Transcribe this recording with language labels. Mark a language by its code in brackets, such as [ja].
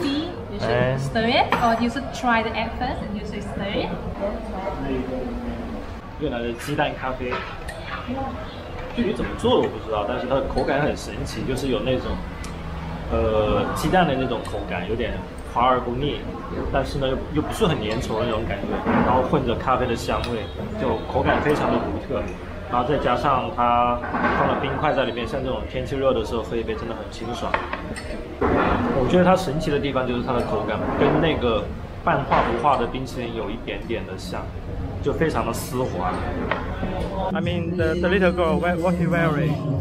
[en] You should and stir it, or you should try the egg first, and you should stir it. [zh] 越南的鸡蛋咖啡，具体怎么做我不知道，但是它的口感很神奇，就是有那种，鸡蛋的那种口感，有点滑而不腻，但是呢又不是很粘稠的那种感觉，然后混着咖啡的香味，就口感非常的独特，然后再加上它放了冰块在里面，像这种天气热的时候喝一杯真的很清爽。我觉得它神奇的地方就是它的口感，跟那个半化不化的冰淇淋有一点点的像。就非常的丝滑。 [en] I mean the little girl, what she wearing?